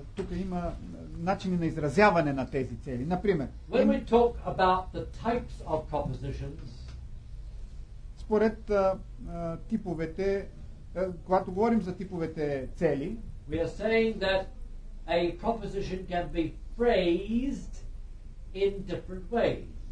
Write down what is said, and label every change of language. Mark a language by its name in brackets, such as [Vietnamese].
[Bulgarian] тук има начини на изразяване на тези цели. Например, [English] when we talk about the types of propositions, [Bulgarian] според типовете, когато говорим за типовете цели, [English] we are saying that a proposition can be phrased in different ways.